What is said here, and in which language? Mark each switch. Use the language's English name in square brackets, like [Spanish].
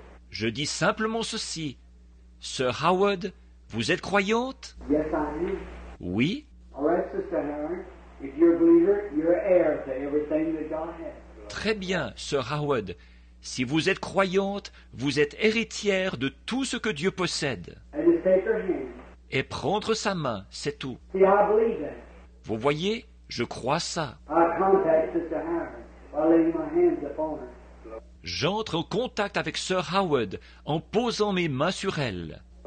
[French] Je dis simplement ceci. Sœur Howard, vous êtes croyante? [English] Yes, I am. [French] Oui. [English] All right, Sister Howard. If you're a believer, you're heir to everything that God has. [French] Très bien, Sœur Howard. Si vous êtes croyante, vous êtes héritière de tout ce que Dieu possède. [English] And just take her hand. [French] Et prendre sa main, c'est tout. [English] See, I believe that. [French] Vous voyez, je crois ça. [English] I contact Sister Howard while laying my hands upon her. [French] J'entre en contact avec Sœur Howard en posant mes mains sur elle.